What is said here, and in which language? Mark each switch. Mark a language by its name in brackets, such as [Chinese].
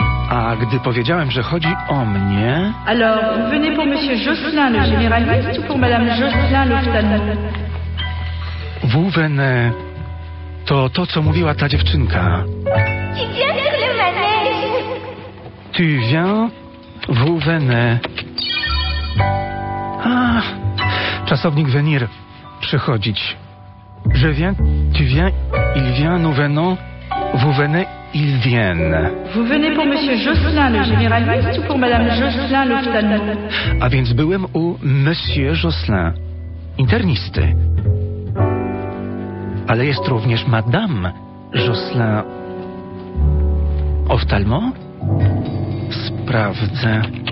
[Polish] A gdy powiedziałem, że chodzi o mnie... [French] Alors, vous venez pour Monsieur Jocelyn, le généraliste, ou pour Madame Jocelyn, l'ophtalmologue? Vous venez... [Polish] To, co mówiła ta dziewczynka. [French] Tu viens sur le manège. Tu viens, vous venez. [Polish] Ah, czasownik venir, przychodzić. [French] Je viens, tu viens, il vient, nous venons, vous venez, ils viennent. Vous venez pour Monsieur Jocelyn, le généraliste, ou pour Madame Jocelyn, l'ophtalmologue? [Polish] A więc byłem u Monsieur Jocelyn, internisty. Ale jest również Madame Jocelyn. Oftalmo? Sprawdzę.